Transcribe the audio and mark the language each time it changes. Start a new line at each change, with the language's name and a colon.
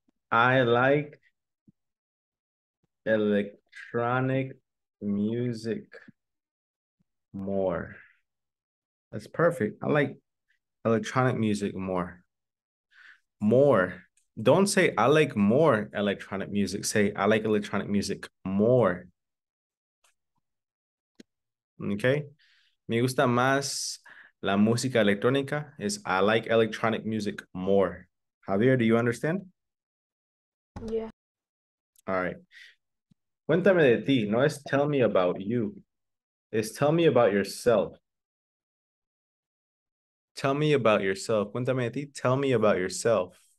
English: I like electronic music more. That's perfect. I like electronic music more. More. Don't say, I like more electronic music. Say, I like electronic music more. Okay?
Spanish: Me gusta más la música electrónica.
English: Is I like electronic music more. Javier, do you understand? Yeah. All right.
Spanish: Cuéntame de ti. No es
English: tell me about you. It's tell me about yourself. Tell me about yourself.
Spanish: Cuéntame de ti.
English: Tell me about yourself.